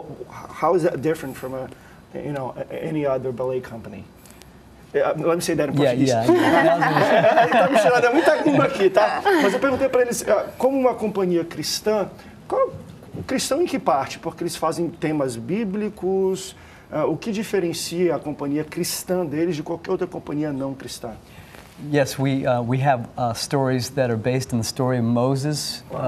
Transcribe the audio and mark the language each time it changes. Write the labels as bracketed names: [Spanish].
[English] How is that different from any other ballet company? Let me say that in Portuguese. Yeah. [Portuguese] Tá me chamando muita língua aqui, tá? Mas eu perguntei para eles, como uma companhia cristã, cristão em que parte? Porque eles fazem temas bíblicos. O que diferencia a companhia cristã deles de qualquer outra companhia não cristã? [English] Yes, we have stories that are based on the story of Moses.